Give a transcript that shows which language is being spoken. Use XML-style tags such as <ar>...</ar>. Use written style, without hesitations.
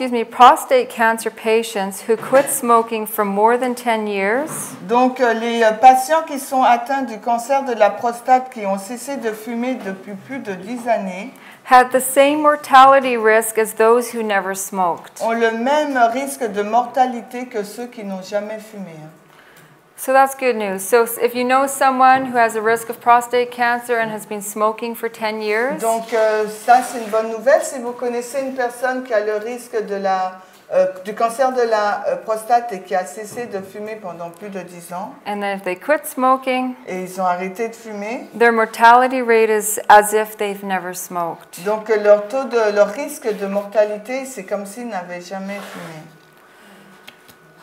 <en>Prostate cancer patients who quit smoking for more than 10 years.</en> <fr>Donc les patients qui sont atteints du cancer de la prostate qui ont cessé de fumer depuis plus de 10 années.</fr> <en>Had the same mortality risk as those who never smoked.</en> <fr>Ont le même risque de mortalité que ceux qui n'ont jamais fumé.</fr> <en>So that's good news. So if you know someone who has a risk of prostate cancer and has been smoking for 10 years.</en> <fr>Donc ça c'est une bonne nouvelle si vous connaissez une personne qui a le risque de la du cancer de la prostate et qui a cessé de fumer pendant plus de 10 ans.</fr> <en>And then if they quit smoking.</en> <fr>Et ils ont arrêté de fumer.</fr> <en>Their mortality rate is as if they've never smoked.</en> <fr>Donc leur taux de leur risque de mortalité c'est comme s'ils n'avaient jamais fumé.</fr>